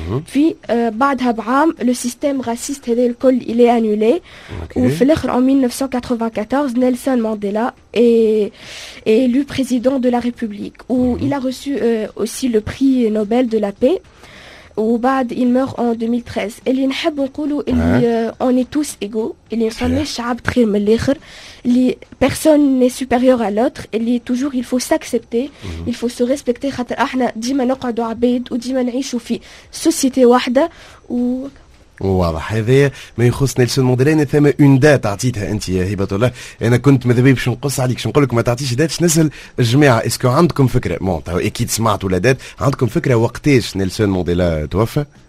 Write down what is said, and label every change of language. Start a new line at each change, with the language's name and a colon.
French: Puis
Arabic: بعدها بعام
French: le système raciste
Arabic: هذا الكل
French: il est annulé. Ou
Arabic: في الاخر
French: en 1994 نيلسون مانديلا est élu président de la République où il a reçu aussi le prix Nobel de la paix.
Arabic: وبعد
French: il meurt en 2013.
Arabic: اللي نحب نقوله اللي
French: on est tous égaux.
Arabic: اللي نفهمي شعب تخير من الاخر.
French: اللي personne n'est supérieur à l'autre. اللي toujours il faut s'accepter. Il faut se respecter.
Arabic: خاطر احنا ديما نقعدوا عبيد وديما نعيشوا في société واحدة. واضح هذا ما يخص نيلسون مانديلا. انا ثم اون دات عطيتها انت يا هبه الله، انا كنت ماذا بيا باش نقص عليك باش نقول لك ما تعطيش دات باش نسال الجماعه اسكو عندكم فكره مون اكيد سمعتوا ولا دات عندكم فكره وقتاش نيلسون مانديلا توفى؟